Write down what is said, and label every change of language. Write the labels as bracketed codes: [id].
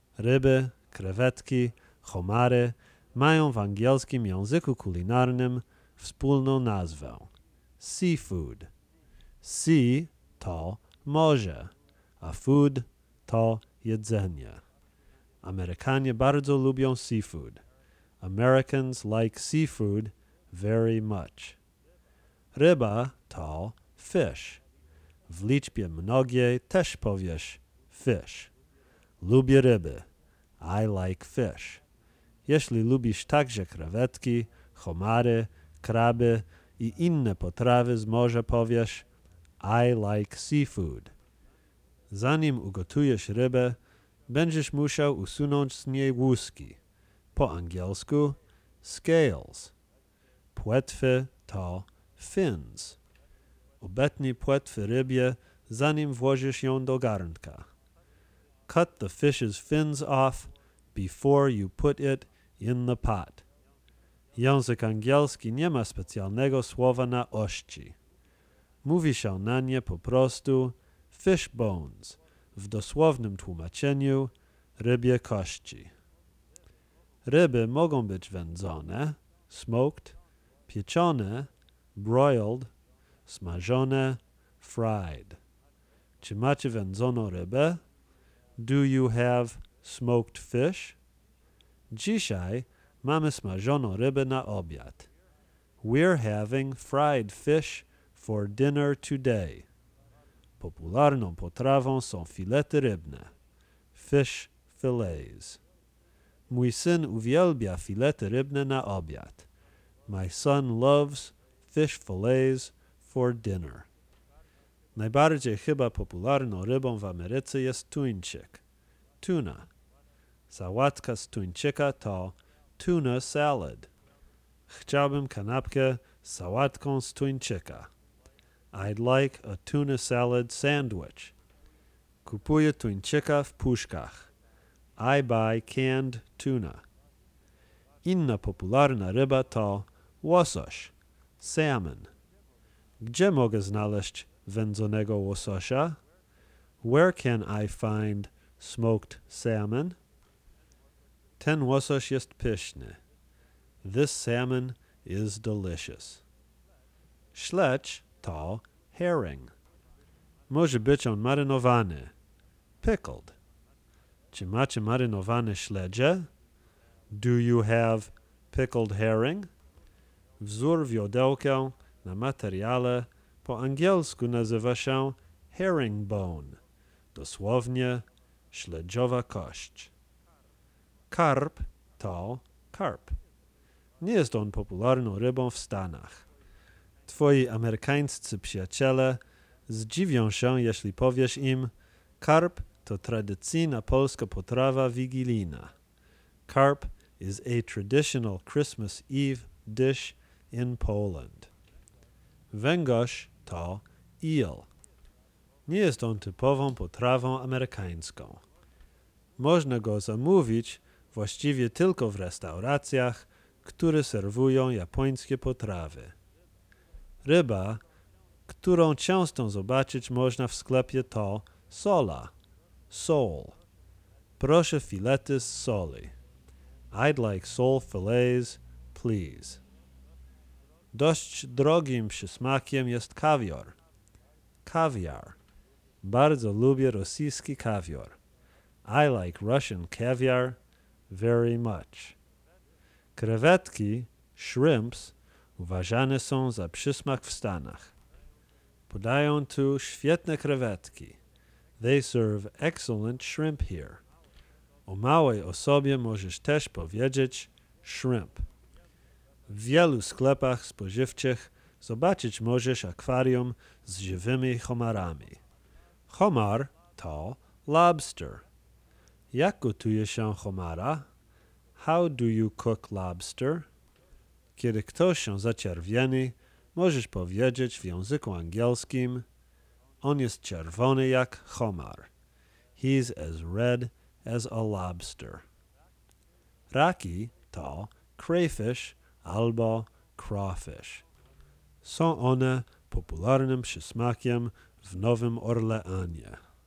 [pl] ryby, krewetki, homary mają w angielskim języku kulinarnym wspólną nazwę – seafood. Sea to morze, a food to jedzenie. Amerykanie bardzo lubią seafood. [en] Americans like seafood very much. [pl] Ryba to fish. W liczbie mnogiej też powiesz fish. Lubię ryby. [en] I like fish. [pl] Jeśli lubisz także krewetki, homary, kraby i inne potrawy z morza, powiesz [en] I like seafood. [pl] Zanim ugotujesz rybę, będziesz musiał usunąć z niej łuski. Po angielsku scales. Płetwy to fins. Obetnij płetwy rybie, zanim włożysz ją do garnka. [en] Cut the fish's fins off before you put it in the pot. [pl] Język angielski nie ma specjalnego słowa na ości. Mówi się na nie po prostu fish bones, w dosłownym tłumaczeniu rybie kości. Ryby mogą być wędzone, smoked, pieczone, broiled, smażone, fried. Czy macie wędzoną rybę? [en] Do you have smoked fish? [pl] Dzisiaj mamy smażoną rybę na obiad. [en] We're having fried fish for dinner today. [pl] Popularną potrawą są filety rybne. Fish fillets. Mój syn uwielbia filety rybne na obiad. [en] My son loves fish fillets for dinner. [pl] Najbardziej chyba popularną rybą w Ameryce jest tuńczyk. Tuna. Sałatka z tuńczyka to tuna salad. Chciałbym kanapkę z sałatką z tuńczyka. [en] I'd like a tuna salad sandwich. [pl] Kupuję tuńczyka w puszkach. [en] I buy canned tuna. [pl] Inna popularna ryba to łosoś, salmon. Gdzie mogę znaleźć wędzonego łososia? [en] Where can I find smoked salmon? [pl] Ten łosoś jest pyszny. [en] This salmon is delicious. [pl] Śledź to herring. Może być on marynowany. Pickled. Czy macie marynowane śledzie? [en] Do you have pickled herring? [pl] Wzór wiodełkę na materiale po angielsku nazywa się herringbone. Dosłownie śledziowa kość. Karp to carp. Nie jest on popularną rybą w Stanach. Twoi amerykańscy przyjaciele zdziwią się, jeśli powiesz im, karp to tradycyjna polska potrawa wigilijna. [en] Carp is a traditional Christmas Eve dish in Poland. [pl] Węgorz to eel. Nie jest on typową potrawą amerykańską. Można go zamówić właściwie tylko w restauracjach, które serwują japońskie potrawy. Ryba, którą często zobaczyć można w sklepie, to sola, sole. Proszę filety z soli. [en] I'd like sole fillets, please. [pl] Dość drogim przysmakiem jest kawior. Kawiar. Bardzo lubię rosyjski kawior. [en] I like Russian caviar very much. [pl] Krewetki, shrimps, uważane są za przysmak w Stanach. Podają tu świetne krewetki. [en] They serve excellent shrimp here. [pl] O małej osobie możesz też powiedzieć shrimp. W wielu sklepach spożywczych zobaczyć możesz akwarium z żywymi homarami. Homar to lobster. Jak gotuje się homara? [en] How do you cook lobster? [pl] Kiedy ktoś się zaczerwieni, możesz powiedzieć w języku angielskim, on jest czerwony jak homar. [en] He's as red as a lobster. [pl] Raki to crayfish albo crawfish. Są one popularnym przysmakiem w Nowym Orleanie.